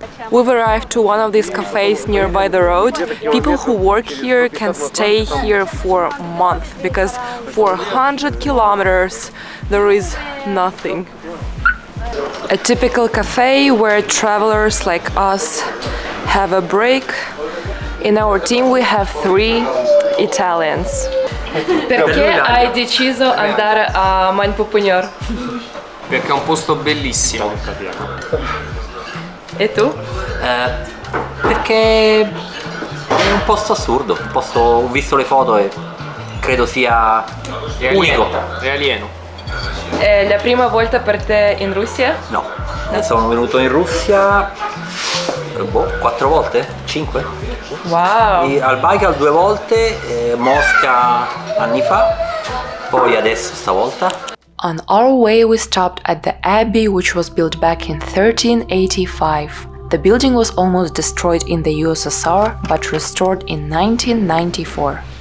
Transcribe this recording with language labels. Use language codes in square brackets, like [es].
[en] We've arrived to one of these cafes nearby the road. People who work here can stay here for a month, because for 100 kilometers there is nothing. A typical cafe where travelers like us have a break. In our team we have three Italians. [it] Perché hai deciso andare a Man Pupu Ner? Perché è un posto bellissimo. E tu? Perché è un posto assurdo, un posto, ho visto le foto e credo sia unico. È alieno. È la prima volta per te in Russia? No, no. Sono venuto in Russia quattro volte, cinque. Wow! E al Baikal due volte, Mosca anni fa, poi adesso stavolta. [en] On our way we stopped at the abbey, which was built back in 1385. The building was almost destroyed in the USSR, but restored in 1994.